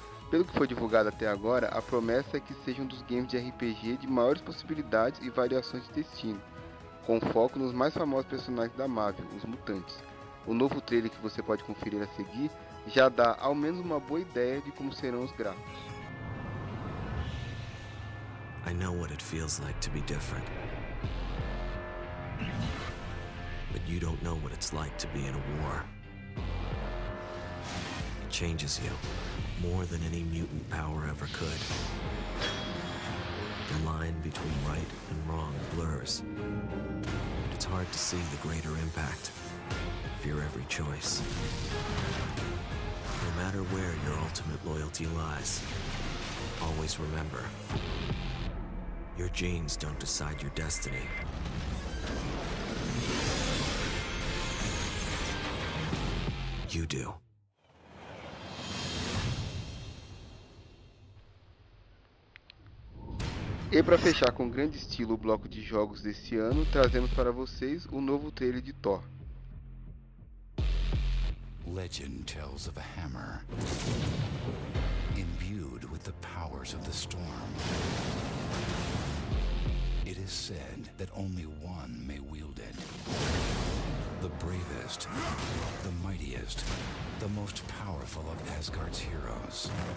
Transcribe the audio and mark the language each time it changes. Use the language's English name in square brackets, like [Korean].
[Portuguese] Pelo que foi divulgado até agora, a promessa é que seja um dos games de RPG de maiores possibilidades e variações de destino, com foco nos mais famosos personagens da Marvel, os mutantes. O novo trailer que você pode conferir a seguir já dá ao menos uma boa ideia de como serão os gráficos. [English] I know what it feels like to be different. But you don't know what it's like to be in a war. It changes you more than any mutant power ever could. The line between right and wrong blurs. And it's hard to see the greater impact of your every choice. No matter where your ultimate loyalty lies, always remember, your genes don't decide your destiny. You do. [Portuguese] E para fechar com grande estilo o bloco de jogos desse ano, trazemos para vocês o novo trailer de Thor. [English] Legend tells of a hammer imbued with the powers of the storm. It is said that only one may wield it. The bravest, the mightiest, the most powerful of Asgard's heroes.